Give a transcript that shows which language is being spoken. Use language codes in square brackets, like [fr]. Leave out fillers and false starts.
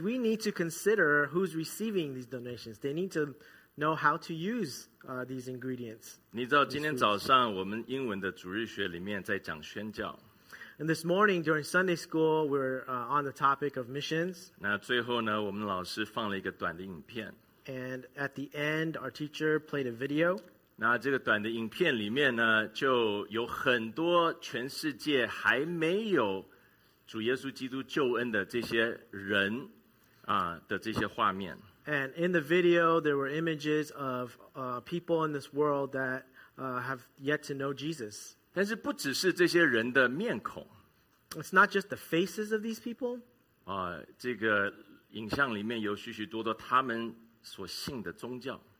[en] we need to consider who's receiving these donations. They need to know how to use these ingredients. [zh] 你知道今天早上我们英文的主日学里面在讲宣教。 [en] And this morning during Sunday school, we're on the topic of missions. [zh] 那最后呢, 我们老师放了一个短的影片。 [en] And at the end, our teacher played a video. [zh] 那这个短的影片里面呢, 就有很多全世界还没有主耶稣基督救恩的这些人, 的这些画面。 [en] And in the video, there were images of people in this world that have yet to know Jesus. [zh] 但是不只是这些人的面孔。 [en] It's not just the faces of these people. [zh] 这个影像里面有许许多多他们所信的宗教。